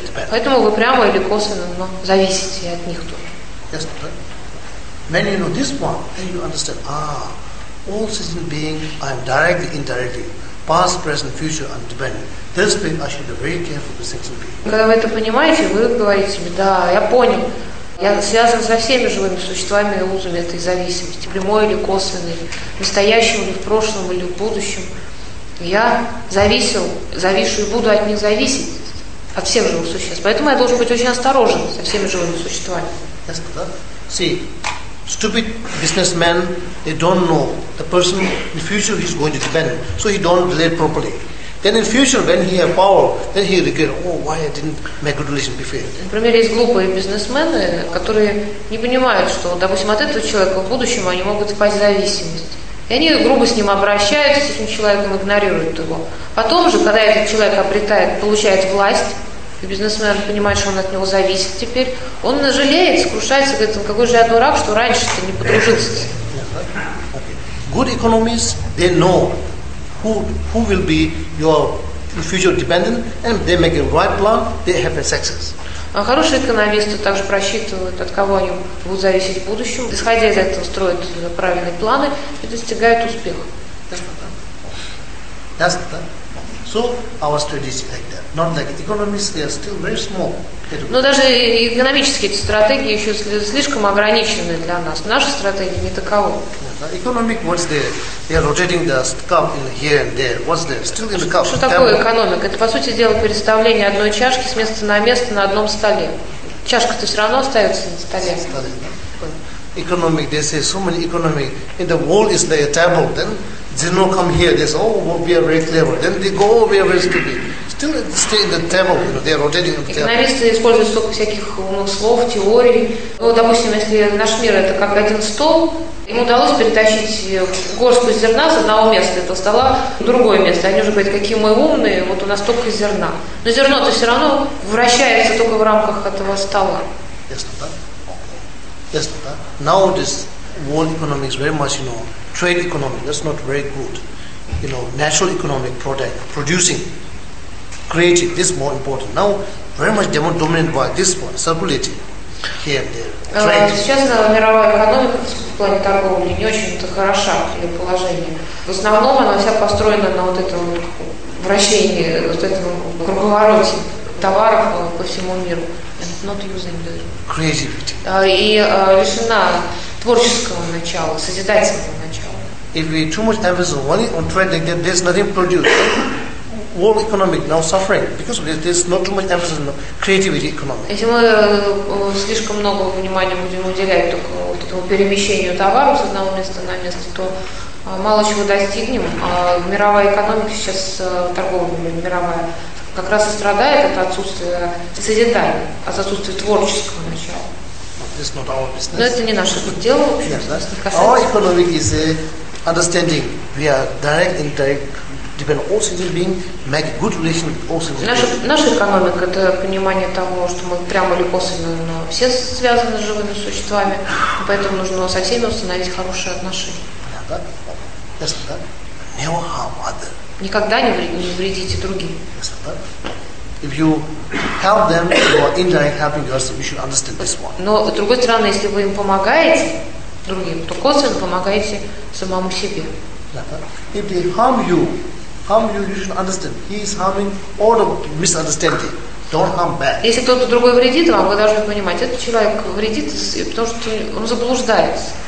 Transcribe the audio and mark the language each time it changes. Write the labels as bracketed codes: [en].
[ru] Поэтому вы прямо или косвенно, но зависите от них тоже. [en] Yes, when you know this one, then you understand, all sentient beings, I'm directly, indirectly, past, present, future, I'm dependent. This thing I should be very careful with sentient beings. [ru] Когда вы это понимаете, вы говорите мне, да, я понял. Я связан со всеми живыми существами и узами этой зависимости, прямой или косвенной, настоящим или в прошлом, или в будущем. Я зависел, завишу и буду от них зависеть, от всех живых существ. Поэтому я должен быть очень осторожен со всеми живыми существами. [en] Yes, see, stupid businessmen, they don't know the person in the future he's going to depend, so he don't relate properly. Then in future, when he have power, then he regret, why I didn't make good relation before. [ru] Например, есть глупые бизнесмены, которые не понимают, что, допустим, от этого человека в будущем они могут впасть в зависимость. И они грубо с ним обращаются, с этим человеком игнорируют его. Потом же, когда этот человек обретает, получает власть, и бизнесмен понимает, что он от него зависит теперь, он жалеет, скрушается, говорит, какой же я дурак, что раньше-то не подружился. [en] Good economists, they know who will be your future dependent, and they make a right plan, they have a success. [ru] А хорошие экономисты также просчитывают, от кого они будут зависеть в будущем, исходя из этого строят правильные планы и достигают успеха. [en] That's the thing. So our strategy like that. Not like economists, they are still very small. [ru] Но даже экономические эти стратегии еще слишком ограничены для нас. Наша стратегия не такова. [en] Yeah. Economic, what's there? They are rotating the cup in here and there. What's there? Still in the cup. [ru] Что такое экономика? Это, по сути дела, переставление одной чашки с места на место на одном столе. Чашка-то все равно остается на столе. [en] Economic, they say so many economic. In the wall is like a table. Then they don't come here. They say, oh, we are very clever. Then they go wherever it's to be. Still stay in the table. You know, they are rotating the table. [ru] Экономисты используют столько всяких умных слов, теорий. Ну, допустим, если наш мир это как один стол, ему удалось перетащить горстку зерна с одного места этого стола в другое место. Они уже говорят, какие мы умные, вот у нас столько зерна. Но зерно-то все равно вращается только в рамках этого стола. Ясно, да? Ясно, да? [en] Now this world economy is very much, you know, trade economy. That's not very good. You know, natural economic product, producing, creating, this is more important. Now, very much dominant by this one, circulating here and there. [ru] Сейчас мировая экономика в плане торговли не очень-то хороша в ее положении. В основном она вся построена на вот этом вращении, вот этом круговороте товаров по всему миру. [en] And not using the... Creativity. [ru] И лишена творческого начала, созидательного начала. [en] If we too much emphasis on trade, then there's nothing produced. World economic now suffering because of this. There's not too much emphasis on creativity economy. [ru] Если мы слишком много внимания будем уделять только вот этому перемещению товаров с одного места на место, то мало чего достигнем. А мировая экономика сейчас торговля мировая как раз и страдает от отсутствия созидания, от отсутствия творческого начала. [en] This is not our business. [ru] Но это не наше дело. [en] Yes, our economic is understanding. We are direct, indirect. Depend all sentient beings, make good relation with all sentient beings. [ru] Наша экономика — это понимание того, что мы прямо или косвенно все связаны с живыми существами, поэтому нужно со всеми установить хорошие отношения. [en] Yes, да? Never harm other. [ru] Никогда не вредите другим. [en] Yes, да? If you help them, you are indirectly helping yourself. You should understand this one. [ru] Но с другой стороны, если вы им помогаете другим, то косвенно помогаете самому себе. [en] Yes, да? If they harm you. Harm you, you should understand. He is harming all the misunderstanding. Don't harm back. [ru] Если кто-то другой вредит вам, вы должны понимать, этот человек вредит, потому что он заблуждается.